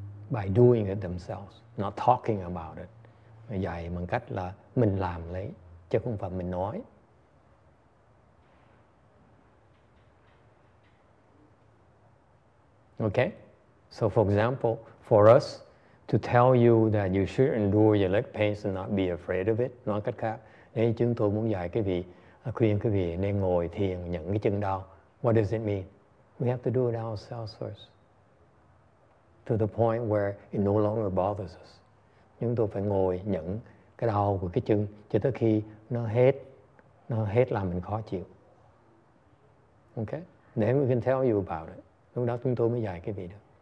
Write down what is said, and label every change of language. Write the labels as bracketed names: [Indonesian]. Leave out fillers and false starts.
[English] By doing it themselves, not talking about it. [Vietnamese] Dạy bằng cách là mình làm lấy, chứ không phải mình nói. [English] Okay? So for example, for us to tell you that you should endure your leg pains and not be afraid of it, [Vietnamese] nói cách khác, nên chúng tôi muốn dạy quý vị, khuyên quý vị nên ngồi thiền nhận cái chân đau. [English] What does it mean? We have to do it ourselves first. To the point where it no longer bothers us. [Vietnamese] Chúng tôi phải ngồi nhận cái đau của cái chân cho tới khi nó hết làm mình khó chịu. Okay? [English] Then we can tell you about it. [Vietnamese] Lúc đó chúng tôi mới dạy quý vị được.